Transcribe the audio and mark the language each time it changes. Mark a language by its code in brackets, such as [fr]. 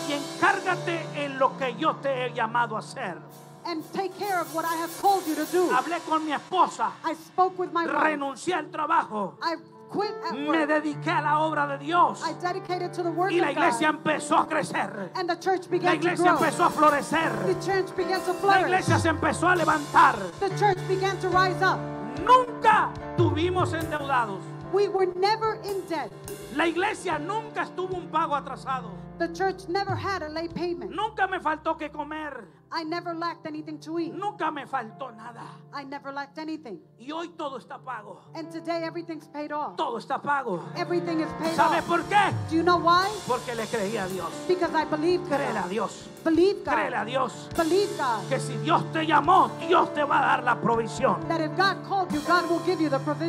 [es] Y encárgate en lo que yo te he llamado a hacer. [en] And take care of what I have called you to do. [es] Hablé con mi esposa. [en] I spoke with my wife. [es] Renuncié al trabajo. [en] I quit at work. [es] Me dediqué a la obra de Dios. [en] I dedicated to the work [es] y la iglesia empezó a crecer. [en] And the church began [es] la iglesia [en] to grow. [es] Empezó a florecer. [en] The church began to flourish. [es] La iglesia se empezó a levantar. [en] The church began to rise up. [es] Nunca tuvimos endeudados. [en] We were never in debt. [es] La iglesia nunca estuvo un pago atrasado. [en] The church never had a late payment. [es] Nunca me faltó que comer. [en] I never lacked anything to eat. [es] Nunca me faltó nada. [en] I never lacked anything. [es] Y hoy todo está pago. [en] And today everything's paid off. [es] Todo está pago. [en] Everything is paid [es] ¿sabe [en] off. [es] ¿Sabe por qué? [en] Do you know why? [es] Porque le creí a Dios. [en] Because I believed God. [es] Créele a Dios. [en] Believe God. [es] Créele a Dios. [en] Believe God. [es] Que si Dios te llamó, Dios te va a dar la provisión. [en] That if God called you, God will give you the provision.